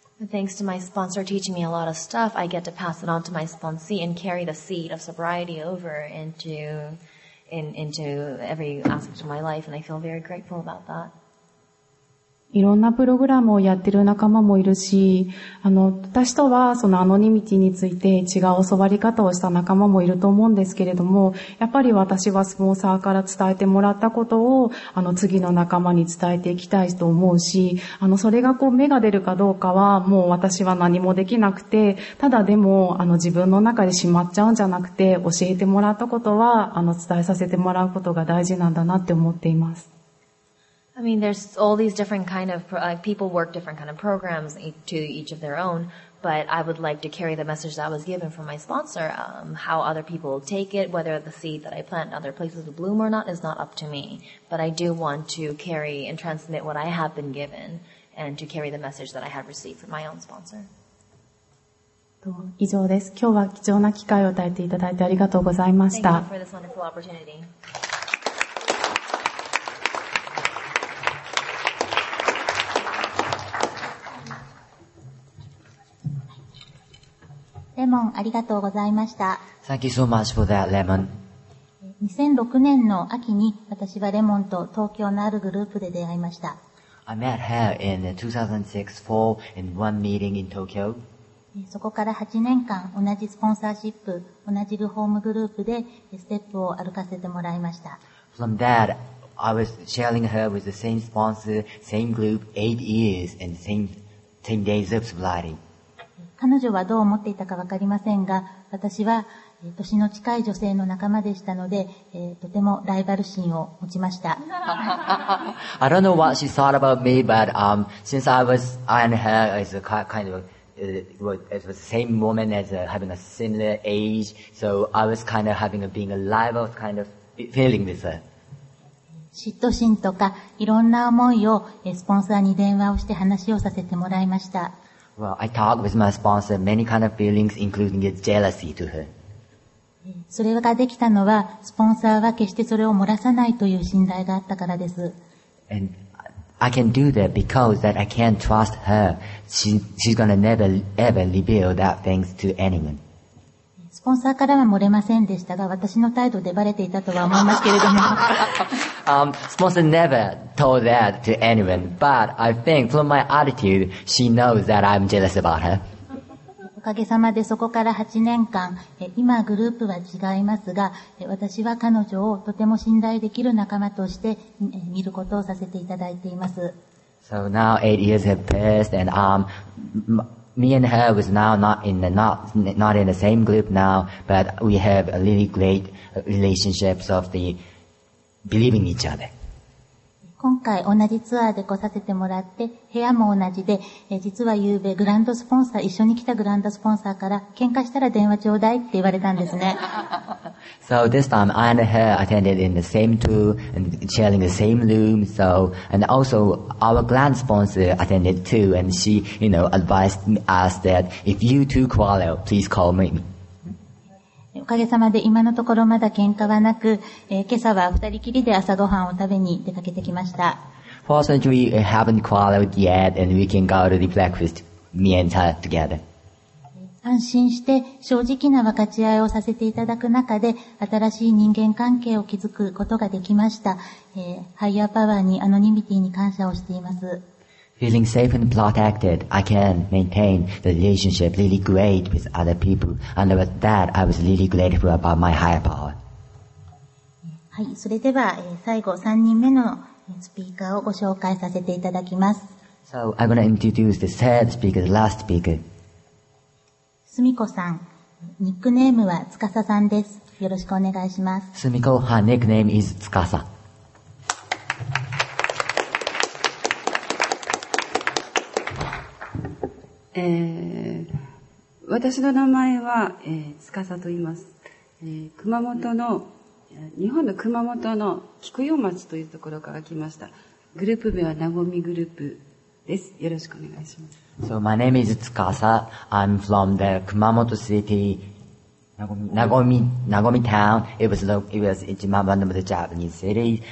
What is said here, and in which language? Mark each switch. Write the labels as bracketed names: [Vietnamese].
[English] Thanks to my sponsor teaching me a lot of stuff, I get to pass it on to my sponsee and carry the seed of sobriety over into every aspect of my life, and I feel very grateful about that. [Japanese] いろんなプログラムをやってる仲間もいるし、私とはそのアノニミティについて違う教わり方をした仲間もいると思うんですけれども、やっぱり私はスポンサーから伝えてもらったことを、次の仲間に伝えていきたいと思うし、それがこう芽が出るかどうかは、もう私は何もできなくて、ただでも、自分の中でしまっちゃうんじゃなくて、教えてもらったことは、伝えさせてもらうことが大事なんだなって思っています。 [English] I mean, there's all these different kind of, people work different kind of programs to each of their own, but I would like to carry the message that was given from my sponsor, how other people take it, whether the seed that I plant in other places will bloom or not is not up to me. But I do want to carry and transmit what I have been given and to carry the message that I have received from my own sponsor. [Japanese] 以上です。今日は貴重な機会を与えていただいてありがとうございました。 [English] Thank you for this wonderful opportunity. [Japanese] レモン、ありがとうございました。 [English] Thank you so much for that, Lemon. [Japanese] 2006年の秋に私はレモンと東京のあるグループで出会いました。 [English] I met her in 2006 fall in one meeting in Tokyo. [Japanese] そこから8年間同じスポンサーシップ、同じホームグループでステップを歩かせてもらいました。 [English] From that, I was sharing her with the same sponsor, same group, 8 years and same 10 days of sobriety. [Japanese] 彼女はどう思っていたかわかりませんが、私は年の近い女性の仲間でしたので、とてもライバル心を持ちました。 [English] I don't know what she thought about me, but since I and her is a kind of it was the same woman as having a similar age, so I was kind of having a being a rival kind of feeling with her. [Japanese] 嫉妬心とかいろんな思いをスポンサーに電話をして話をさせてもらいました。 [English] Well, I talk with my sponsor many kind of feelings, including jealousy to her. [Japanese] それができたのは、スポンサーは決してそれを漏らさないという信頼があったからです。 [English] And I can do that because that I can trust her. She's gonna never ever reveal that things to anyone. [Japanese] スポンサーからは漏れませんでしたが、私の態度でバレていたとは思いますけれども。 [English] Sponsor never told that to anyone, but I think from my attitude, she knows that I'm jealous about her. [Japanese] おかげさまでそこから8年間、今グループは違いますが、私は彼女をとても信頼できる仲間として見ることをさせていただいています。 [English] So now 8 years have passed, and me and her was now not in the same group now, but we have a really great relationships of the believing each other. [Japanese] 今回同じツアーで来させてもらって、部屋も同じで、実は夕べグランドスポンサー、一緒に来たグランドスポンサーから、喧嘩したら電話ちょうだいって言われたんですね。 [English] So this time I and her attended in the same tour and sharing the same room, so, and also our grand sponsor attended too, and she, you know, advised us that if you two quarrel, please call me. [Japanese] おかげさまで今のところまだ喧嘩はなく、今朝は二人きりで朝ごはんを食べに出かけてきました。 [English] Fortunately, we haven't quarreled yet, and we can go to the breakfast, me and her together. [Japanese] 二人安心して正直な分かち合いをさせていただく中で新しい人間関係を築くことができました。ハイヤーパワーにアノニミティに感謝をしています。 [English] Feeling safe and protected, I can maintain the relationship really great with other people. And with that, I was really grateful about my higher power. [Japanese] はい、それでは最後3人目のスピーカーをご紹介させていただきます。 [English] So I'm going to introduce the third speaker, the last speaker. [Japanese] すみこさん、ニックネームはつかささんです。よろしくお願いします。す [English] みこ、her nickname is つかさ。 [Japanese] 私の名前はつかさと言います。熊本の、日本の熊本の菊陽町というところから来ました。グループ名はなごみグループです。よろしくお願いします。 [English] So my name is Tsukasa. I'm from the Kumamoto City, Nagomi town. It was in Japan, the Japanese city.